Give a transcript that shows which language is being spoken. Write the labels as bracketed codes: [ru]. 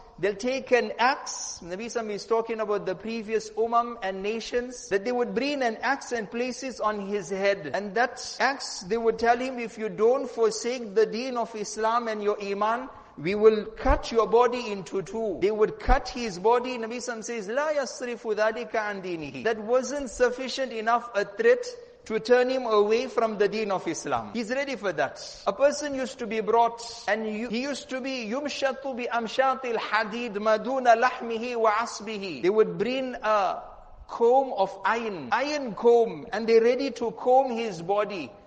[en] They'll take an axe. Nabi Sam is talking about the previous umam and nations. That they would bring an axe and place it on his head. And that axe, they would tell him, if you don't forsake the deen of Islam and your iman, we will cut your body into two. They would cut his body. Nabi Sam says, [ar] لا يصرف ذلك عن دينه. [en] That wasn't sufficient enough a threat to turn him away from the deen of Islam. He's ready for that. A person used to be brought, and he used to be [ar] yumshatu bi amshatil hadid maduna lahmihi wa asbihi. [en] They would bring a comb of iron comb, and they're ready to comb his body.